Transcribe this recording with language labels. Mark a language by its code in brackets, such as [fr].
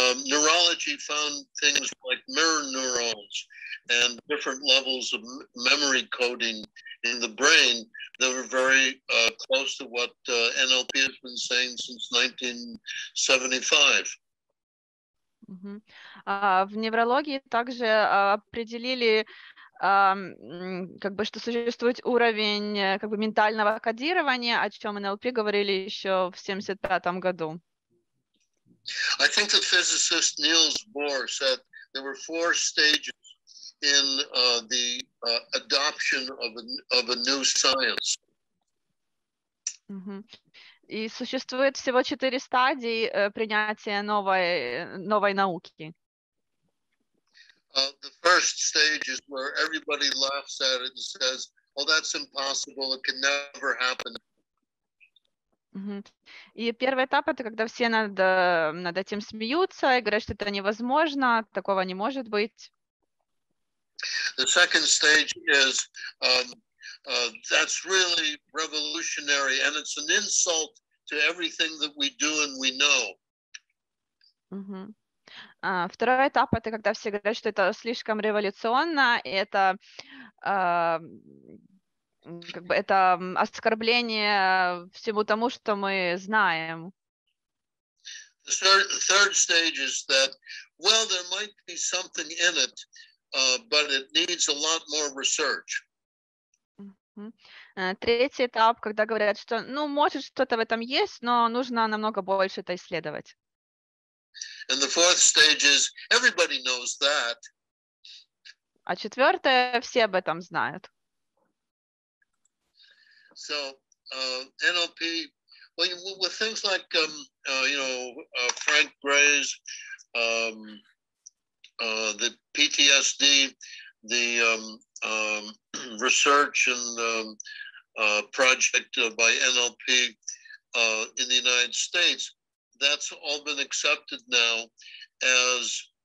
[en] Neurology found things like mirror neurons and different levels of memory coding in the brain that were very close to what NLP has been saying since 1975. [ru] В неврологии также определили, как бы, что существует уровень, как бы, ментального кодирования, о чем НЛП говорили еще в 75-м году. [en] I think the physicist Niels Bohr said there were four stages in the adoption of a new science. [ru] И существует всего четыре стадии принятия новой науки. [en] The first stage is where everybody laughs at it and says, "Oh, that's impossible. It can never happen." [ru] И первый этап — это когда все над этим смеются и говорят, что это невозможно, такого не может быть. [en] The second stage is that's really revolutionary and it's an insult to everything that we do and we know. [ru] Второй этап — это когда все говорят, что это слишком революционно, и это как бы это оскорбление всему тому, что мы знаем. [en] The third stage is that, well, there might be something in it, but it needs a lot more research. [ru] Третий этап, когда говорят, что, ну, может, что-то в этом есть, но нужно намного больше это исследовать. [en] And the fourth stage is, everybody knows that. [ru] А четвертое, все об этом знают. [en] So, NLP, well, with things like, Frank Gray's, the PTSD, the research and project by NLP in the United States, that's all been accepted now as